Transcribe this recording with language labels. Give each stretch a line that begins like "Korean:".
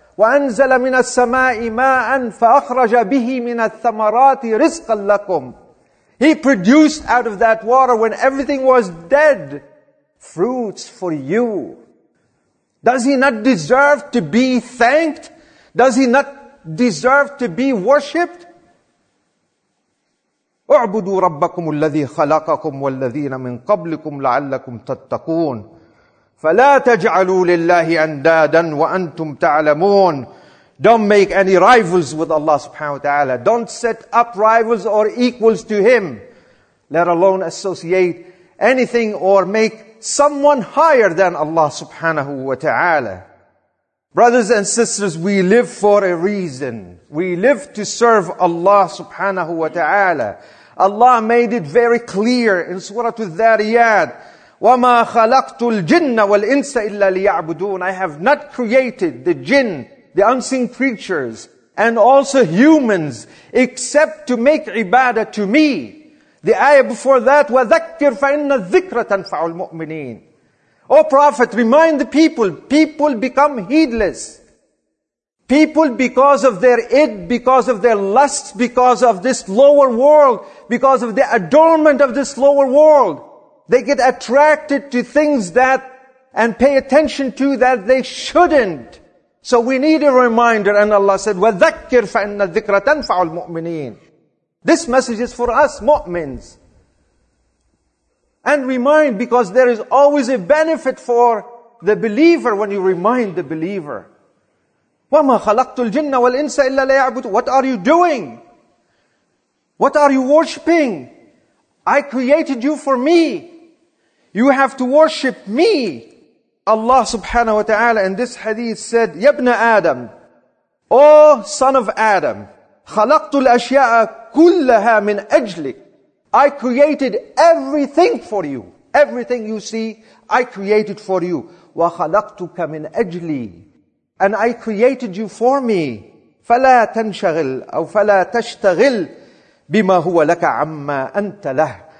Arabic: وَأَنْزَلَ مِنَ السَّمَاءِ مَاءً فَأَخْرَجَ بِهِ مِنَ الثَّمَرَاتِ رِزْقًا لَكُمْ.
English: He produced out of that water, when everything was dead, fruits for you. Does He not deserve to be thanked? Does He not deserve to be worshipped?
Arabic: اعبدوا ربكم الذي خلقكم والذين من قبلكم لعلكم تتقون فلا تجعلوا لله اندادا وانتم تعلمون.
English: Don't make any rivals with Allah subhanahu wa ta'ala. Don't set up rivals or equals to Him, let alone associate anything or make someone higher than Allah subhanahu wa ta'ala. Brothers and sisters, we live for a reason. We live to serve Allah subhanahu wa ta'ala. Allah made it very clear in Surah Al-Dhariyat,
Arabic: وَمَا خَلَقْتُ الْجِنَّ وَالْإِنسَ إِلَّا لِيَعْبُدُونَ.
English: I have not created the jinn, the unseen creatures, and also humans, except to make ibadah to me. The ayah before that,
Arabic: وَذَكِّرْ فَإِنَّ الذِّكْرَ تَنْفَعُ الْمُؤْمِنِينَ.
English: O Prophet, remind the people. People become heedless. People, because of their id, because of their lusts, because of this lower world, because of the adornment of this lower world, they get attracted to things that, and pay attention to that they shouldn't. So we need a reminder, and Allah said,
Arabic: وَذَكِّرْ فَإِنَّ الذِّكْرَ تَنْفَعُ الْمُؤْمِنِينَ.
English: This message is for us, mu'mins. And remind, because there is always a benefit for the believer when you remind the believer.
Arabic: وَمَا خَلَقْتُ الْجِنَّ وَالْإِنسَ إِلَّا لَيَعْبُدُ.
English: What are you doing? What are you worshipping? I created you for me. You have to worship me. Allah subhanahu wa ta'ala in this hadith said,
Arabic: يَبْنَ آدَمْ.
English: O son of Adam,
Arabic: خَلَقْتُ الْأَشْيَاءَ كُلَّهَا مِنْ أَجْلِكَ.
English: I created everything for you. Everything you see, I created for you.
Arabic: وَخَلَقْتُكَ مِنْ أَجْلِي.
English: And I created you for me.
Arabic: فَلَا تَنْشَغِلْ أَوْ فَلَا تَشْتَغِلْ بِمَا هُوَ لَكَ عَمَّا أَنْتَ لَهُ.